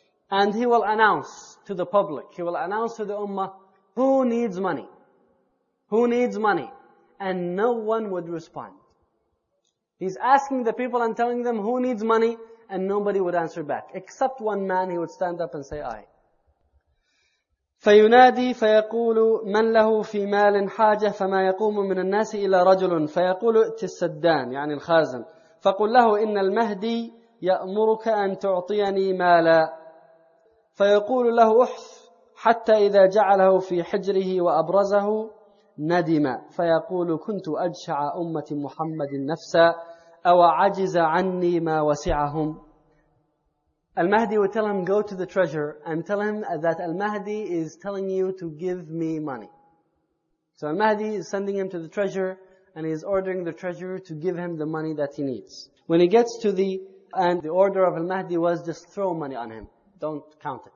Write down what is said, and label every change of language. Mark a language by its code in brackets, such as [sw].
[en] And he will announce to the public, he will announce to the ummah, who needs money? Who needs money? And no one would respond. He's asking the people and telling them who needs money, and nobody would answer back. Except one man, he would stand up and say, I. [ar] فَيُنَادِي فَيَقُولُ مَنْ لَهُ فِي مَالٍ حَاجَةٍ فَمَا يَقُومُ مِنَ النَّاسِ إِلَّا رَجُلٌ فَيَقُولُ اِتِ السَّدَّانِ يعني الخازن فَقُلْ لَهُ إِنَّ الْمَهْدِي يَأْمُرُكَ أَنْ تُعْطِيَنِي مَالًا فَيَقُولُ لَهُ أُحْف حَتَّى إِذَا جَعَلَهُ فِي حِجْرِهِ وَأَبْرَزَهُ ندم فيقول كنت أجشع أمة محمد نفسا أو عجز عني ما وسعهم. [en] المهدي would tell him, go to the treasure and tell him that المهدي is telling you to give me money. So المهدي is sending him to the treasure and he's ordering the treasurer to give him the money that he needs. When he gets to the end, the order of Al-Mahdi was just throw money on him. Don't count it.